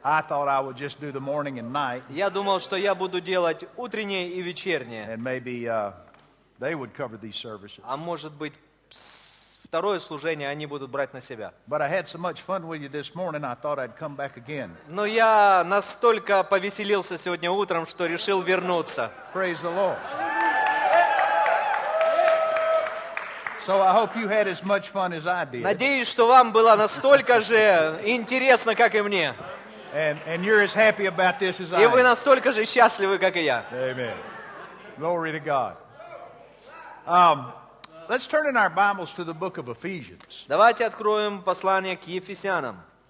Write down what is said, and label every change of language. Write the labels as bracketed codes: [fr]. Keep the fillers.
[en] I thought I would just do the morning and night. [ru] Я думал, что я буду делать утреннее и вечернее. [en] And maybe uh, they would cover these services. [ru] А может быть, пс, второе служение они будут брать на себя. [en] But I had so much fun with you this morning, I thought I'd come back again. [ru] Но я настолько повеселился сегодня утром, что решил вернуться. [en] Praise the Lord. So I hope you had as much fun as I did. [ru] Надеюсь, что вам было настолько же интересно, как и мне. [en] And, and you're as happy about this as и I [ru] вы настолько же счастливы, как и я. [en] Amen. Glory to God. Um, let's turn in our Bibles to the book of Ephesians. [ru] Давайте откроем послание к Ефесянам.